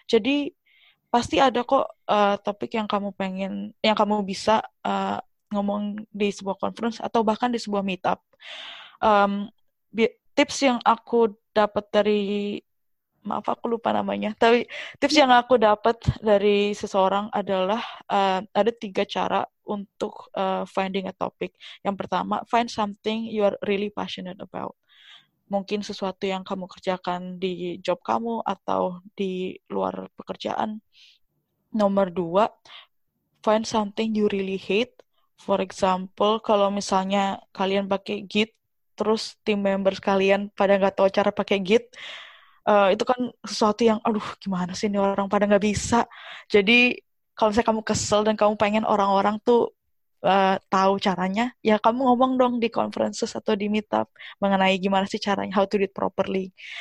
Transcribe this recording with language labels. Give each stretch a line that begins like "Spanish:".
Indonesian: Jadi pasti ada kok topik yang kamu pengen, yang kamu bisa ngomong di sebuah conference atau bahkan di sebuah meetup. Tips yang aku dapat dari, maaf aku lupa namanya, tapi tips yang aku dapat dari seseorang adalah ada 3 cara untuk
English: finding a topic.
Indonesian: Yang pertama,
English: find something you are really passionate about.
Indonesian: Mungkin sesuatu yang kamu kerjakan di job kamu atau di luar pekerjaan. Nomor 2,
English: find something you really hate. For example,
Indonesian: kalau misalnya kalian pakai Git, terus team members kalian pada nggak tahu cara pakai Git, itu kan sesuatu yang, aduh gimana sih ini orang pada nggak bisa. Jadi kalau misalnya kamu kesel dan kamu pengen orang-orang tuh tahu caranya, ya kamu ngomong dong di conferences atau di meetup mengenai gimana sih caranya,
English: how to do it properly.